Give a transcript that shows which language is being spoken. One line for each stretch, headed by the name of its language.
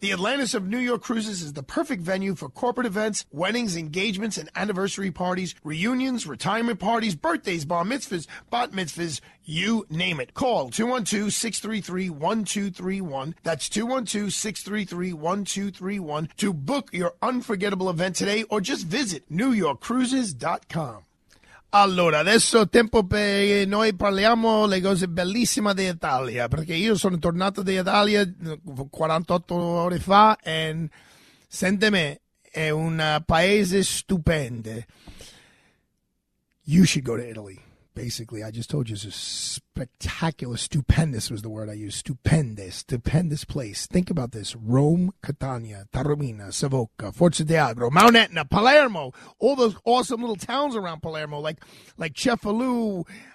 English: The Atlantis of New York Cruises is the perfect venue for corporate events, weddings, engagements, and anniversary parties, reunions, retirement parties, birthdays, bar mitzvahs, bat mitzvahs, you name it. Call 212-633-1231. That's 212-633-1231 to book your unforgettable event today or just visit newyorkcruises.com.
Italian: Allora, adesso tempo per noi parliamo le cose bellissime d'Italia, perché io sono tornato d'Italia 48 ore fa e, sente me, è un paese stupendo.
English: You should go to Italy, basically. I just told you it's a spectacular, stupendous was the word I used, stupendous place. Think about this, Rome, Catania, Taormina, Savoca, Forza d'Agro, Mount Etna, Palermo, all those awesome little towns around Palermo, like Cefalù.